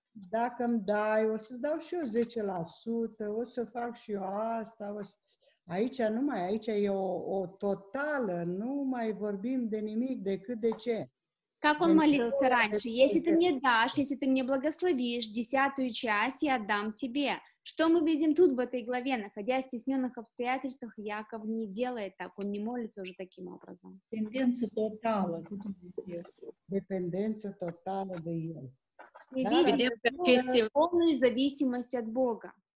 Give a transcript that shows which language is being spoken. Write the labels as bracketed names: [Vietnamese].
[Romanian] Dacă îmi dai, o să-ți dau și eu 10%, o să fac și eu asta, aici nu mai, aici e o totală, nu mai vorbim de nimic, decât de ce. [Russian] Как он молился раньше? Если ты мне дашь, если ты мне благословишь, десятую часть я отдам тебе. Что мы видим тут в этой главе? Находясь в стесненных обстоятельствах, Яков не делает так, он не молится уже таким образом. [Romanian] Dependență totală. Dependență totală de el. [Russian] Мы видим, что полная зависимость от Бога.